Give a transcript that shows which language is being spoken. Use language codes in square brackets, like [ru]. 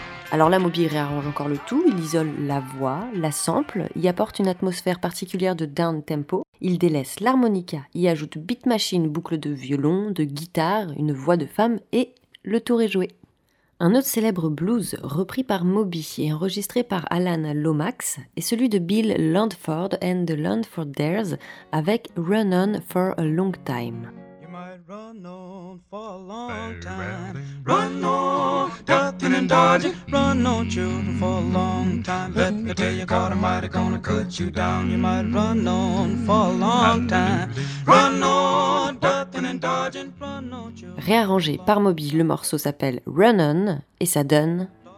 [fr] Alors là, Moby réarrange encore le tout, il isole la voix, la sample, y apporte une atmosphère particulière de down tempo, il délaisse l'harmonica, y ajoute beat machine, boucle de violon, de guitare, une voix de femme et le tour est joué. Un autre célèbre blues repris par Moby et enregistré par Alan Lomax est celui de Bill Landford and the Landforders avec Run On For A Long Time. [en] Run on for a long time. Run on, ducking and dodging. Run on, children, for a long time. Let me tell you, God Almighty gonna cut you down. You might run on for a long time. Run on, ducking and dodging. Run on, children. [fr] Réarrangé par Moby, le morceau s'appelle Run On et ça donne.